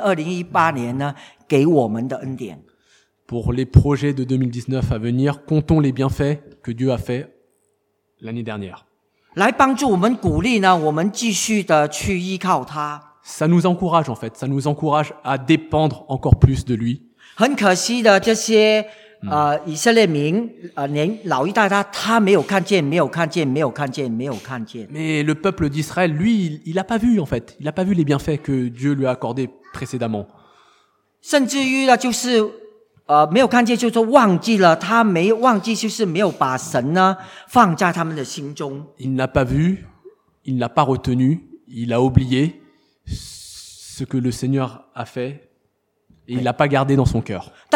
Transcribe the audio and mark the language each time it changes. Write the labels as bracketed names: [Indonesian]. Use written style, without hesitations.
[Chinese] 所以呢，如果要帮助我们2019年，未到2019年计划的时候，我们一定要去述说呢神2018年呢给我们的恩典。 [French] Pour les projets de 2019 à venir, comptons les bienfaits que Dieu a fait l'année dernière. [Chinese] 来帮助我们鼓励呢，我们继续的去依靠他。 [French] Ça nous encourage en fait, ça nous encourage à dépendre encore plus de lui. [Chinese] 很可惜的这些以色列民年老一代他没有看见。 [French] Mais le peuple d'Israël, lui, il n'a pas vu en fait, il n'a pas vu les bienfaits que Dieu lui a accordés précédemment. [Chinese] 甚至于呢，就是没有看见，就是忘记了他没忘记，就是没有把神呢放在他们的心中。 [French] Il n'a pas vu, il n'a pas retenu, il a oublié. Ce que le Seigneur a fait, et il ne l'a pas gardé dans son cœur.